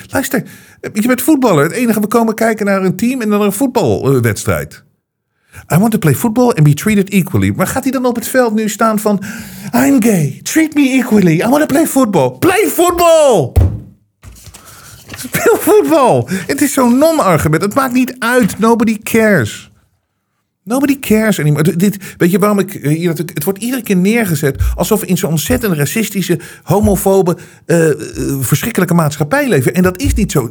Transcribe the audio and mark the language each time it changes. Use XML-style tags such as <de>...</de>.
<nl>Luister, je bent voetballer. Het enige, we komen kijken naar een team en dan een voetbalwedstrijd.</nl> <en>I want to play football and be treated equally.</en> <nl>Maar gaat hij dan op het veld nu staan van,</nl> <en>I'm gay, treat me equally, I want to play football. Play football!</en> <nl>Speel voetbal! Het is zo'n non-argument, het maakt niet uit.</nl> <en>Nobody cares. Nobody cares anymore.</en> <nl>Weet je waarom ik hier natuurlijk, het wordt iedere keer neergezet alsof we in zo'n ontzettend racistische, homofobe, verschrikkelijke maatschappij leven. En dat is niet zo.</nl>